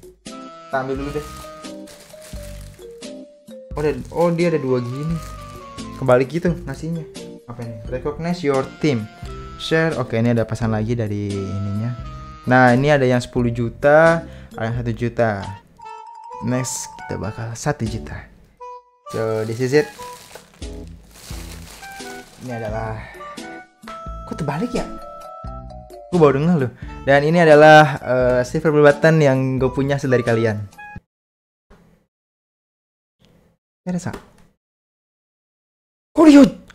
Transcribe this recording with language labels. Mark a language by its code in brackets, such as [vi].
[id] Kita ambil dulu deh. Oh dia ada dua gini. Kebalik gitu nasinya. Apa ini? [en] Recognize your team. [id] Share, oke, ini ada pesan lagi dari ininya. Nah ini ada yang 10 juta, ada yang 1 juta. Next kita bakal 1 juta. [en] So this is it. [id] Ini adalah, kok terbalik ya? Gue baru denger loh. Dan ini adalah silver button yang gue punya hasil dari kalian. Ya, Resa. Kuriut!